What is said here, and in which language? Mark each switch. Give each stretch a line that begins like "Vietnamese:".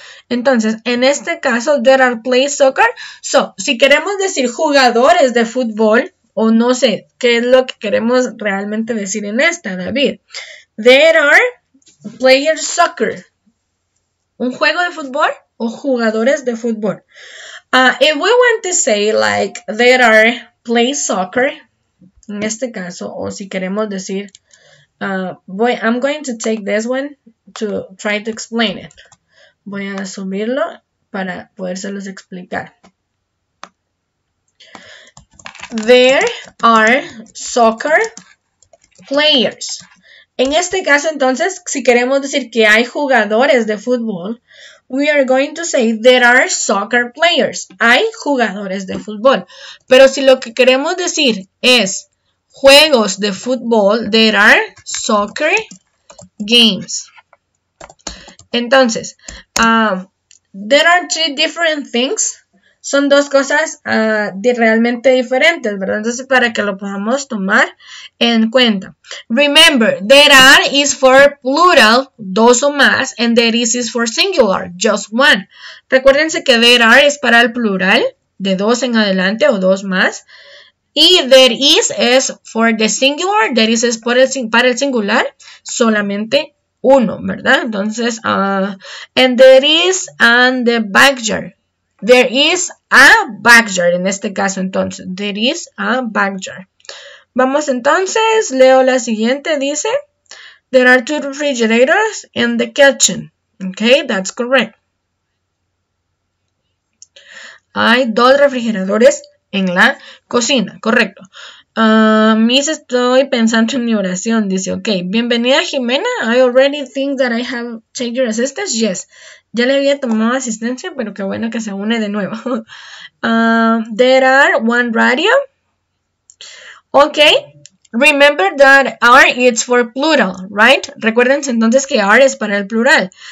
Spanish: Entonces, en este caso, there are play soccer. So, si queremos decir jugadores de fútbol, o no sé qué es lo que queremos realmente decir en esta, David.
English: There are player soccer.
Spanish: ¿Un juego de fútbol o jugadores de fútbol?
English: If we want to say like there are play soccer,
Spanish: en este caso, o si queremos decir,
English: I'm going to take this one to try to explain it.
Spanish: Voy a subirlo para podérselos explicar.
English: There are soccer players.
Spanish: En este caso, entonces, si queremos decir que hay jugadores de fútbol,
English: we are going to say there are soccer players.
Spanish: Hay jugadores de fútbol. Pero si lo que queremos decir es juegos de fútbol,
English: there are soccer games. Entonces, there are two different things.
Spanish: Son dos cosas realmente diferentes, ¿verdad? Entonces, para que lo podamos tomar en cuenta.
English: Remember, there are is for plural,
Spanish: dos o más,
English: and there is for singular, just one.
Spanish: Recuérdense que there are es para el plural, de dos en adelante o dos más. Y
English: there is for the singular,
Spanish: there is por el, para el singular, solamente uno, ¿verdad?
English: Entonces, and there is and the badger. There is a badger,
Spanish: en este caso, entonces.
English: There is a badger.
Spanish: Vamos entonces, leo la siguiente, dice.
English: There are two refrigerators in the kitchen. Okay, that's correct.
Spanish: Hay dos refrigeradores en la cocina, correcto. Miss, estoy pensando en mi oración, dice. Okay, bienvenida Jimena.
English: I already think that I have checked your assistance. Yes.
Spanish: Ya le había tomado asistencia, pero qué bueno que se une de nuevo.
English: There are one radio. Ok, Remember that are is for plural, right?
Spanish: Recuérdense entonces que are es para el plural.